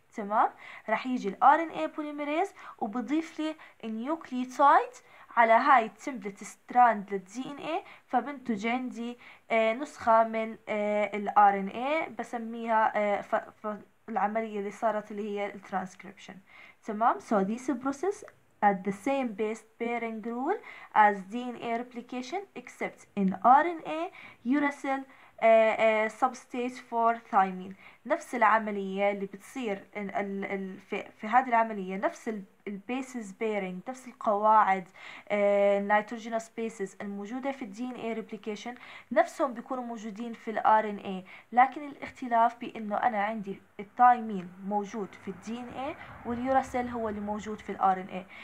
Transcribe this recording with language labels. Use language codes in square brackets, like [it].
[ar] تمام، راح يجي ال RNA polymerase وبضيف لي النيوكليوتايد على هاي التمبلت ستراند لل DNA، فبنتج عندي نسخة من ال RNA بسميها العملية اللي صارت اللي هي الترانسكريبشن. تمام، [en] so this process at the same base pairing rule as DNA replication except in RNA uracil substitute for thymine. [ar] نفس العملية اللي بتصير في هذه العملية، نفس البيسز بيرينج، نفس القواعد النيتروجينوس بيسز الموجودة في الدي ان اي ريبليكيشن نفسهم بيكونوا موجودين في الار ان اي، لكن الاختلاف بانه انا عندي الثايمين موجود في الدي ان اي واليوراسيل هو اللي موجود في الار ان اي.